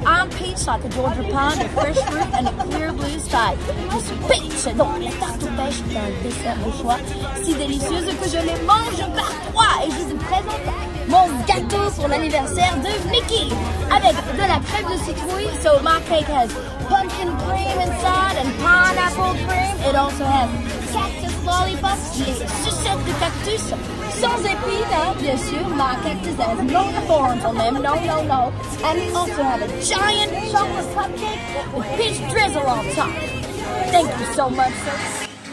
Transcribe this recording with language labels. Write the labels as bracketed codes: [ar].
[en] I'm Peach like a Georgia pine, a fresh fruit and a clear blue sky. [fr] Je suis Peach. Donc, la tarte aux pêches est un dessert au choix. Si délicieuse que je les mange par trois. Et je vous présente mon gâteau pour l'anniversaire de Mickey. Avec de la crème de citrouille. [en] So, my cake has pumpkin cream inside and pineapple cream. It also has cactus lollipops. [fr] Des sucettes de cactus. Sans épines, hein, bien sûr, ma [en] cactus has no thorns on them, no. And we also have a giant chocolate cupcake with peach drizzle on top. Thank you so much, sir.